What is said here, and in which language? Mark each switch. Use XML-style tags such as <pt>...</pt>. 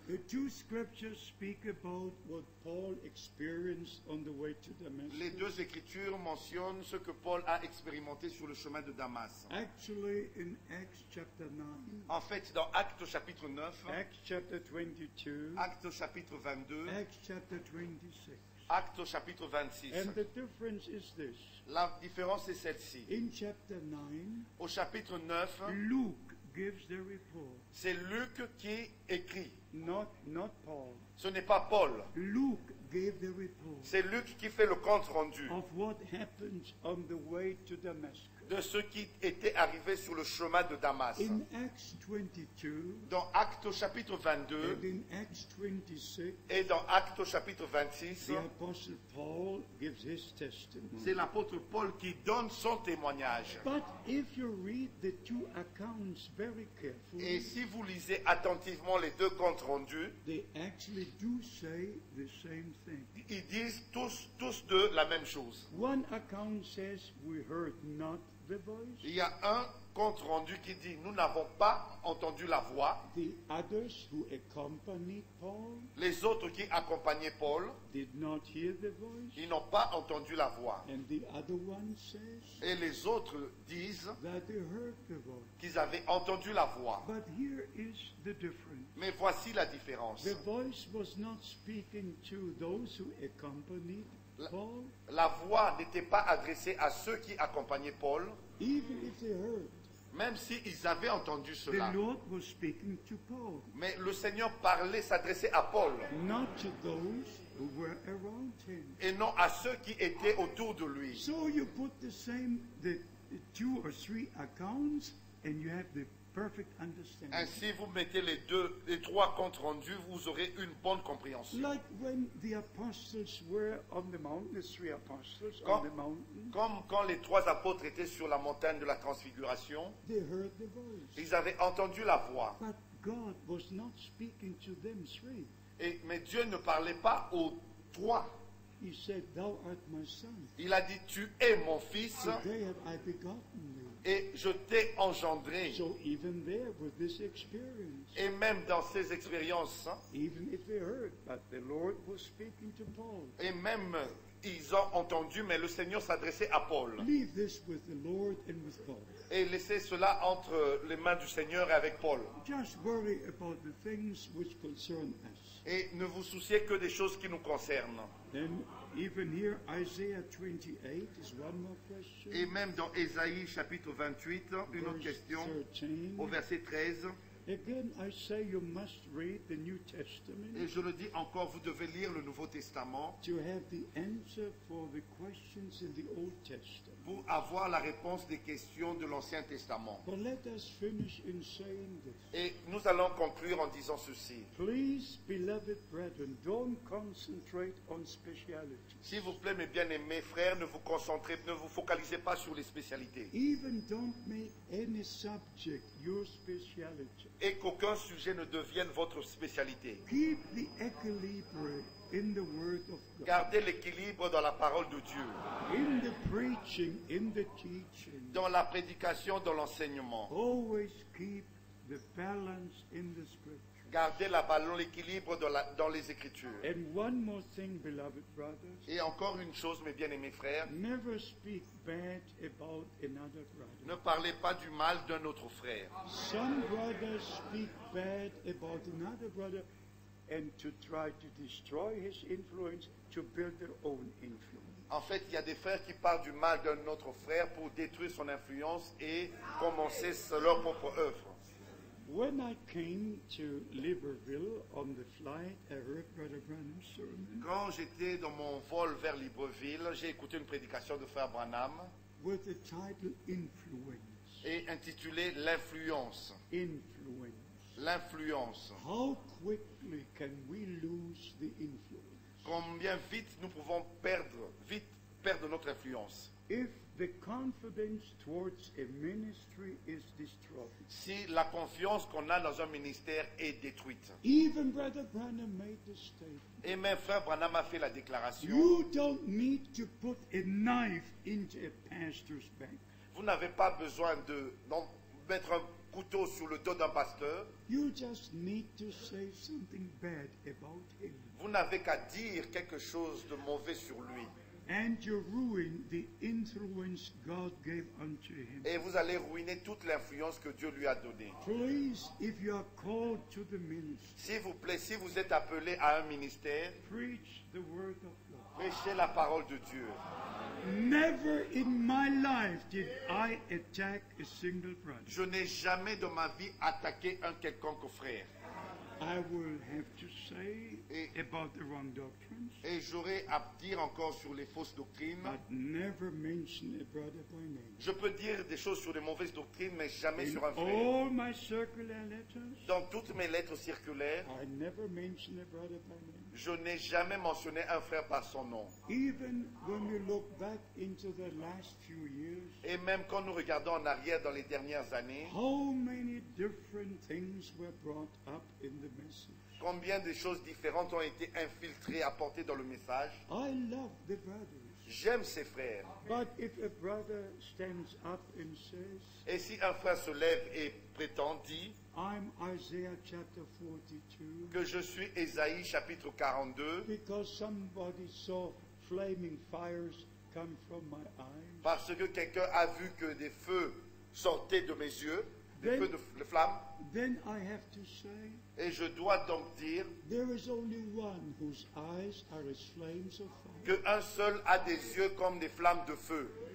<en>The two scriptures speak about what Paul experienced on the way to Damascus.</en> <fr>Les deux écritures mentionnent ce que Paul a expérimenté sur le chemin de Damas.</fr> <en>Actually, in Acts chapter 9.</en> <fr>En fait, dans Actes chapitre 9.</fr> <en>Acts chapter 22.</en> <fr>Actes chapitre 22.</fr> <en>Acts chapter 26.</en> <fr>Acte au chapitre 26.</fr> <en>And the difference is this.</en> <fr>La différence est celle-ci.</fr> <en>In chapter 9,</en> <fr>au chapitre 9,</fr> <en>Luke gives the report.</en> <fr>C'est Luc qui écrit.</fr> <en>Not Paul.</en> <fr>Ce n'est pas Paul.</fr> <en>Luke gave the report.</en> <fr>C'est Luc qui fait le compte rendu.</fr> <en>Of what happens on the way to Damascus.</en> <fr>De ce qui était arrivé sur le chemin de Damas.</fr> <en>In Acts 22,</en> <fr>dans Actes chapitre 22</fr> <en>and in Acts 26,</en> <fr>et dans Actes chapitre 26,</fr> <en>the Apostle Paul gives his testimony.</en> <fr>C'est l'apôtre Paul qui donne son témoignage.</fr> <en>But if you read the two accounts very carefully,</en> <fr>et si vous lisez attentivement les deux comptes rendus,</fr> <en>they actually do say the same thing.</en> <fr>Ils disent tous deux la même chose.</fr> <en>One account says we heard not.</en> <fr>Il y a un compte rendu qui dit nous n'avons pas entendu la voix.</fr> <en>The others who accompanied Paul,</en> <fr>les autres qui accompagnaient Paul</fr> <en>did not hear the voice.</en> <fr>Ils n'ont pas entendu la voix.</fr> <en>And the other one says,</en> <fr>et les autres disent</fr> <en>that they heard the voice.</en> <fr>Qu'ils avaient entendu la voix.</fr> <en>But here is the difference.</en> <fr>Mais voici la différence.</fr> <en>The voice was not speaking to those who accompanied Paul.</en> <fr>La voix n'était pas adressée à ceux qui accompagnaient Paul.</fr> <en>Even if they heard,</en> <fr>même s'ils avaient entendu cela.</fr> <en>The Lord was speaking to Paul.</en> <fr>Mais le Seigneur parlait, s'adressait à Paul.</fr> <en>Not to those who were around him.</en> <fr>Et non à ceux qui étaient autour de lui.</fr> <en>So you put the two or three accounts and you have the perfect understanding.</en> <fr>Ainsi, vous mettez les deux, les trois comptes rendus, vous aurez une bonne compréhension.</fr> <en>Like when the apostles were on the mountain, the three apostles</en> <fr>comme,</fr> <en>on the mountain.</en> <fr>Comme quand les trois apôtres étaient sur la montagne de la Transfiguration.</fr> <en>They heard the voice.</en> <fr>Ils avaient entendu la voix.</fr> <en>But God was not speaking to them three.</en> <fr>Et mais Dieu ne parlait pas aux trois.</fr> <en>He said, "Thou art my son."</en> <fr>Il a dit, tu es mon fils.</fr> <en>Today have I begotten thee.</en> <fr>Et je t'ai engendré.</fr> <en>So even there with this experience,</en> <fr>et même dans ces expériences,</fr> <en>even if they heard, but the Lord was speaking to Paul.</en> <fr>Et même ils ont entendu, mais le Seigneur s'adressait à Paul.</fr> <en>Leave this with the Lord and with Paul.</en> <fr>Et laissez cela entre les mains du Seigneur et avec Paul.</fr> <en>Just worry about the things which concern us.</en> <fr>Et ne vous souciez que des choses qui nous concernent.</fr> <en>Then, even here, Isaiah 28 is one more question.</en> <fr>Et même dans Ésaïe chapitre 28, une</fr> <en>verse</en> <fr>autre question,</fr> <en>13.</en> <fr>Au verset 13.</fr> <en>Again, I say you must read the New Testament.</en> <fr>Et je le dis encore, vous devez lire le Nouveau Testament.</fr> <en>To have the answer for the questions in the Old Testament.</en> <fr>Pour avoir la réponse des questions de l'Ancien Testament.</fr> <en>But let us finish in saying this.</en> <fr>Et nous allons conclure en disant ceci.</fr> <en>Please, beloved brethren, don't concentrate on specialities.</en> <fr>S'il vous plaît, mes bien-aimés frères, ne vous concentrez, ne vous focalisez pas sur les spécialités.</fr> <en>Even don't make any subject your speciality.</en> <fr>Et qu'aucun sujet ne devienne votre spécialité.</fr> <en>Keep the equilibrium in the word of God.</en> <fr>Gardez l'équilibre dans la parole de Dieu.</fr> <en>In the preaching, in the teaching.</en> <fr>Dans la prédication, dans l'enseignement.</fr> <en>Always keep the balance in the scriptures.</en> <fr>Gardez la balance, l'équilibre dans, la, dans les Écritures.</fr> <en>And one more thing, beloved brothers.</en> <fr>Et encore une chose, mes bien-aimés frères.</fr> <en>Never speak bad about another brother.</en> <fr>Ne parlez pas du mal d'un autre frère.</fr> <en>Some brothers speak bad about another brother and to try to destroy his influence to build their own influence.</en> <fr>En fait, il y a des frères qui parlent du mal d'un autre frère pour détruire son influence et commencer leur propre œuvre.</fr> <en>When I came to Libreville on the flight, I heard Brother Branham's sermon.</en> <fr>Quand j'étais dans mon vol vers Libreville, j'ai écouté une prédication de Frère Branham.</fr> <en>With the title Influence.</en> <fr>Et intitulée L'influence.</fr> <en>Influence.</en> <fr>L'influence.</fr> <en>How quickly can we lose the influence?</en> <fr>Combien vite nous pouvons perdre, vite perdre notre influence?</fr> <en>If the confidence towards a ministry is destroyed.</en> <fr>Si la confiance qu'on a dans un ministère est détruite.</fr> <en>Even Brother Branham made the statement.</en> <fr>Et même Frère Branham a fait la déclaration.</fr> <en>You don't need to put a knife into a pastor's back.</en> <fr>Vous n'avez pas besoin de mettre un couteau sur le dos d'un pasteur.</fr> <en>You just need to say something bad about him.</en> <fr>Vous n'avez qu'à dire quelque chose de mauvais sur lui.</fr> <en>And you ruin the influence God gave unto him.</en> <fr>Et vous allez ruiner toute l'influence que Dieu lui a donnée.</fr> <en>Please, if you are called to the ministry.</en> <fr>S'il vous plaît, si vous êtes appelé à un ministère.</fr> <en>Preach the word of God.</en> <fr>Prêchez la parole de Dieu.</fr> <en>Never in my life did I attack a single brother.</en> <fr>Je n'ai jamais dans ma vie attaqué un quelconque frère.</fr> <en>I will have to say about the wrong doctrines.</en> <fr>Et j'aurai à dire encore sur les fausses doctrines.</fr> <en>But never mention a brother by name.</en> <fr>Je peux dire des choses sur les mauvaises doctrines, mais jamais</fr> <en>in</en> <fr>sur un frère.</fr> <en>All my circular letters.</en> <fr>Dans toutes mes lettres circulaires.</fr> <en>I never mention a brother by name.</en> <fr>Je n'ai jamais mentionné un frère par son nom.</fr> <en>Even when we look back into the last few years.</en> <fr>Et même quand nous regardons en arrière dans les dernières années.</fr> <en>How many different things were brought up in the message.</en> <fr>Combien de choses différentes ont été infiltrées, apportées dans le message.</fr> <en>I love the brothers.</en> <fr>J'aime ses frères.</fr> <en>But if a brother stands up and says,</en> <fr>et si un frère se lève et prétend, dit,</fr> <en>I'm Isaiah chapter 42,</en> <fr>que je suis Ésaïe chapitre 42,</fr> <en>because somebody saw flaming fires come from my eyes,</en> <fr>parce que quelqu'un a vu que des feux sortaient de mes yeux, des feux de flammes,</fr> <en>then I have to say,</en> <fr>et je dois donc dire,</fr> <en>there is only one whose eyes are as flames of fire.</en> <fr>Que un seul a des yeux comme des flammes de feu.</fr>